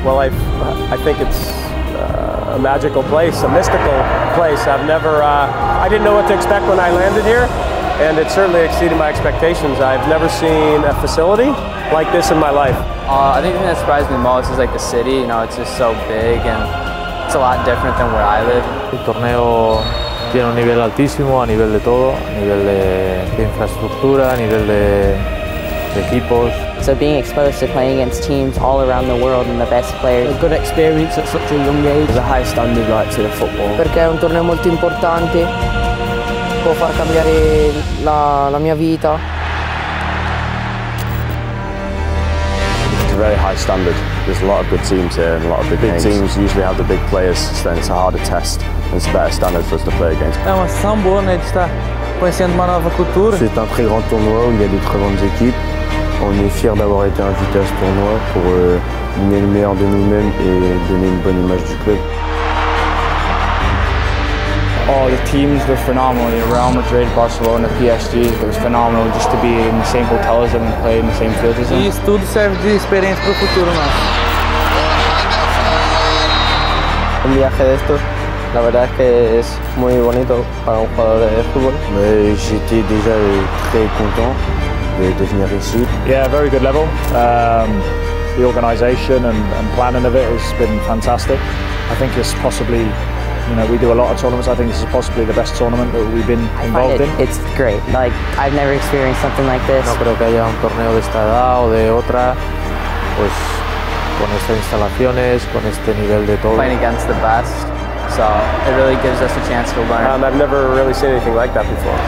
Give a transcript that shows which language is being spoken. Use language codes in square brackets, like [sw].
[en] Well, I think it's a magical place, a mystical place. I've never, I didn't know what to expect when I landed here, and it certainly exceeded my expectations. I've never seen a facility like this in my life. I think the thing that surprised me most is like the city. You know, it's just so big and it's a lot different than where I live. [it] Il torneo tiene un livello altissimo [es] a nivel de todo, a nivel de infraestructura, a nivel de equipos. [en] So being exposed to playing against teams all around the world and the best players. A good experience at such a young age. There's a high standard right to the football. [it] Perché è un torneo molto importante. Può far cambiare la mia vita. [en] Very high standard. There's a lot of good teams here and a lot of big names. Teams usually have the big players, so then it's a harder test and it's a better standard for us to play against. [pt] É uma sessão boa, né? De estar conhecendo uma nova cultura. [fr] C'est un très grand tournoi où il y a de très bonnes équipes. On est fiers d'avoir été invités à ce tournoi pour donner le meilleur de nous-mêmes et donner une bonne image du club. [en] All the teams were phenomenal. Real Madrid, Barcelona, PSG. It was phenomenal just to be in the same hotel as them and play in the same field as them. [pt] Isso tudo serve de experiência para o futuro, mano. [es] Un viaje de estos, la verdad es que es muy bonito para un jugador de fútbol. [fr] Mais j'étais déjà très content de venir ici. [en] Yeah, very good level. The organisation and planning of it has been fantastic. I think it's possibly, you know, we do a lot of tournaments. I think this is possibly the best tournament that we've been involved in. It's great. Like, I've never experienced something like this. [es] No creo que haya un torneo de esta edad o de otra, pues, con estas instalaciones, con este nivel de todo. [en] Playing against the best, so it really gives us a chance to learn. I've never really seen anything like that before.